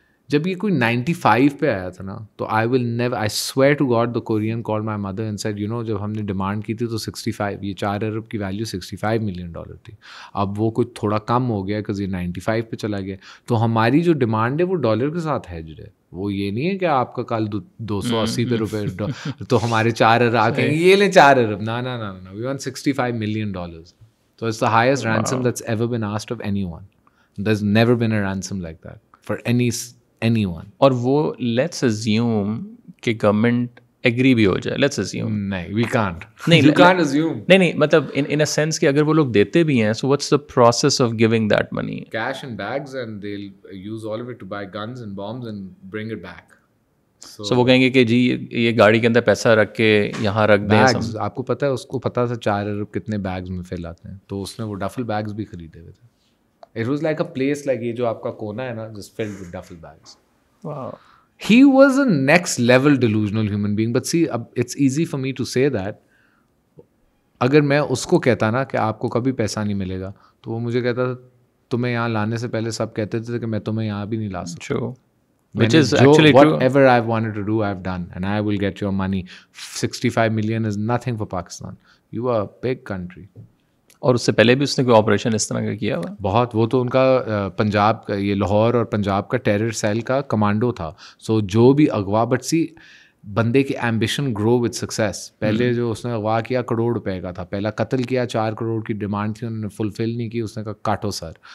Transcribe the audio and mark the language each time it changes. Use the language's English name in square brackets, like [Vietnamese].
[Hindi] जब ये कोई 95 पे आया था ना, तो [English] I swear to God the Korean called my mother and said, [Hindi] you know जब हमने डिमांड की थी तो 65, ये 4 अरब की वैल्यू $65 मिलियन थी. अब वो कुछ थोड़ा कम हो गया बिकॉज ये 95 पे चला गया. तो हमारी जो डिमांड है वो डॉलर के साथ हैज है. वो ये नहीं है कि आपका कल 280 रुपये तो हमारे 4 अरब ये लें 4 अरब. [English] ना, we want $65 million. So it's the highest ransom that's ever been asked of anyone. There's never been a ransom like that for anyone. Or let's assume that government [Hindi] agree भी हो जाए, [English] Let's assume. नहीं, we can't. [Hindi] नहीं, [English] You can't assume. [Hindi] नहीं नहीं, मतलब [English] in a sense [Hindi] कि अगर वो लोग देते भी हैं, [English] So what's the process of giving that money? Cash and bags, and they will use all of it to buy guns and bombs and bring it back. [Hindi] सो वो कहेंगे कि जी ये गाड़ी के अंदर पैसा रख के यहाँ रख दें. बैग्स, आपको पता है, उसको पता था 4 अरब कितने बैग्स में फैलाते हैं, तो उसने वो डफल बैग्स भी खरीदे हुए थे. [English] it was like a place, like [Hindi] ये जो आपका कोना है ना, [English] Just filled with duffel bags. He was a next level delusional human being. But see, it's easy for me to say that. [Hindi] अगर मैं उसको कहता ना कि आपको कभी पैसा नहीं मिलेगा, तो वो मुझे कहता था तुम्हें यहाँ लाने से पहले सब कहते थे कि मैं तुम्हें यहाँ भी नहीं ला सकता. [English] Which is actually true. Whatever I've wanted to do, I've done, and I will get your money. 65 million is nothing for Pakistan. You are a big country. [Hindi] और उससे पहले भी उसने कोई ऑपरेशन इस तरह का किया हुआ? बहुत. वो तो उनका पंजाब का, ये लाहौर और पंजाब का टेरर सेल का कमांडो था. सो जो भी अगवा, बट सी, बंदे के एम्बिशन [English] Grow with success. [Hindi] पहले जो उसने अगवा किया 1 करोड़ रुपए का था. पहला कत्ल किया, 4 करोड़ की डिमांड थी, उन्होंने फुलफिल नहीं की, उसने कहा काटो सर.